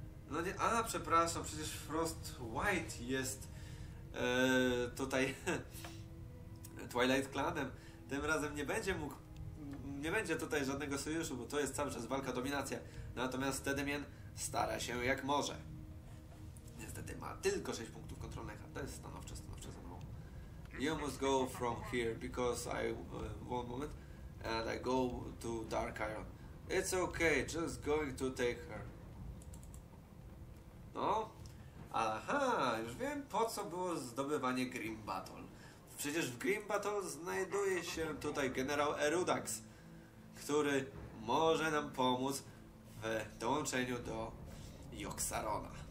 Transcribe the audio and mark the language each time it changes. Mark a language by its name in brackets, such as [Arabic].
[Polish] No nie, a przepraszam, przecież Frost White jest tutaj Twilight Clanem. Tym razem nie będzie mógł, nie będzie tutaj żadnego sojuszu, bo to jest cały czas walka, dominacja. Natomiast Tedemien stara się jak może. Niestety ma tylko 6 punktów kontrolnych, a to jest stanowcze za mną. [English] You must go from here, because I... one moment. And I go to Dark Iron. It's okay, just going to take her. [Polish] No, aha, już wiem po co było zdobywanie Grim Battle. Przecież w Grim Battle znajduje się tutaj generał Erudax, który może nam pomóc w dołączeniu do Yogg-Sarona.